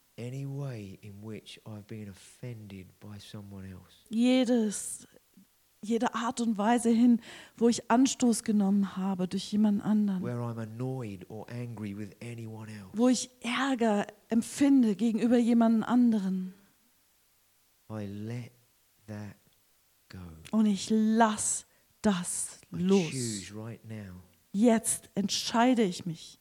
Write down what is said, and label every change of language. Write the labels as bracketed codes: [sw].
[en] any way in which I've been offended by someone else. [de] Jede Art und Weise hin, wo ich Anstoß genommen habe durch jemand anderen. [en] Where I'm annoyed or angry with anyone else. [de] Wo ich Ärger empfinde gegenüber jemand anderen. [en] I let that go. [de] Und ich lass das los. [en] I choose right now. [de] Jetzt entscheide ich mich